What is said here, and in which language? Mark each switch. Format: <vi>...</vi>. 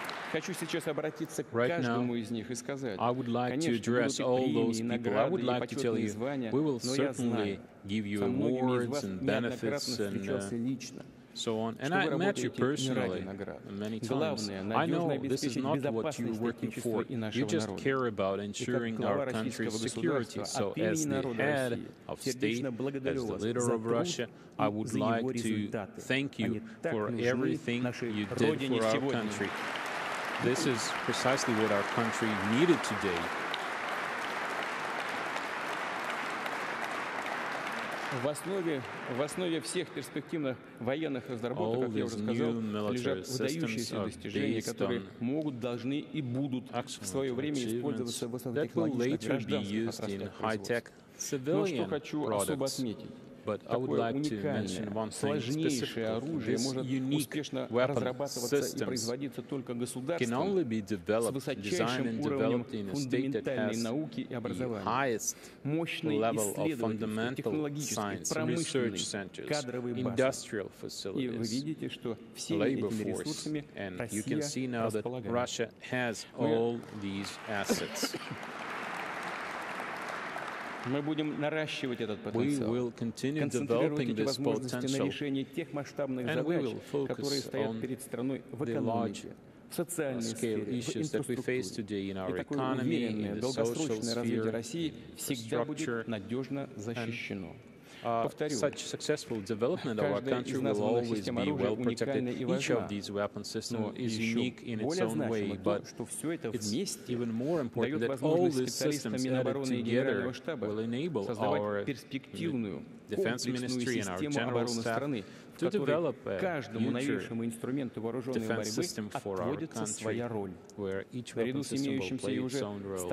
<ru>Хочу сейчас обратиться к каждому из них и сказать.</ru> <en>I would like to address all those people. I would like to tell you, we will certainly give you awards and benefits and so on. And I met you personally many times. I know this is not what you're working for. You just care about ensuring our country's security. So as the head of state, as the leader of Russia, I would like to thank you for everything you did for our country. This is precisely what our country needed today.</en> <ru>В основе всех перспективных военных разработок, как я уже сказал, лежат выдающиеся достижения, которые могут, должны и будут в свое время использоваться в высокотехнологичных гражданских отраслях производства. Но что хочу особо отметить.</ru> <en>But I would like to mention one thing specifically. This unique weapon system can only be developed, designed and developed in a state that has the highest level of fundamental science, research centers, industrial facilities, labor force, and you can see now that Russia has all these assets.</en> <ru>Мы будем наращивать этот потенциал, концентрировать эти возможности на решении тех масштабных задач, которые стоят перед страной в экономике, в социальной сфере, в инфраструктуре. И такое уверенное, долгосрочное развитие России всегда будет надежно защищено.</ru> <en>Such successful development of our country will always be well protected. Each of these weapon systems is unique in its own way, but it's even more important that all these systems added together will enable our defense ministry and our general staff to develop a future defense system for our country, where each weapon system will play its own role.</en>